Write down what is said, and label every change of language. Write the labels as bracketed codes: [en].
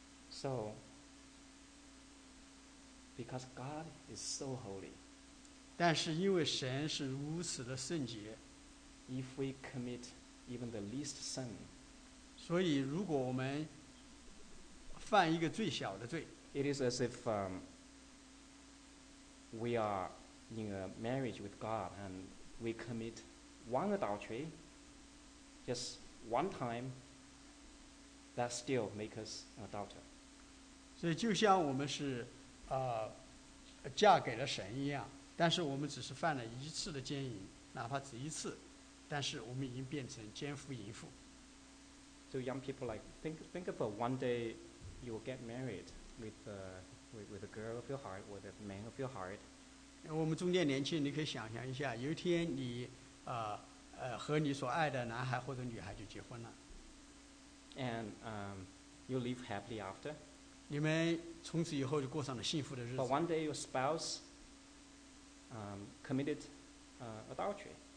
[en] So, because God is so holy. [zh] 但是因为神是如此的圣洁， [en] if we commit even the least sin, [zh] 所以如果我们犯一个最小的罪, [en] it is as if we are in a marriage with God and we commit one adultery, just one time, that still makes us an adulterer. [zh] 所以就像我们是嫁给了神一样，但是我们只是犯了一次的奸淫，哪怕只一次，但是我们已经变成奸夫淫妇。 [en] So young people, like think of one day you will get married with a girl of your heart or the man of your heart. [zh] 我们中间年轻，你可以想象一下，有一天你和你所爱的男孩或者女孩就结婚了。 [en] And you live happily after. [zh] 你们从此以后就过上了幸福的日子。 [en] But one day your spouse committed adultery.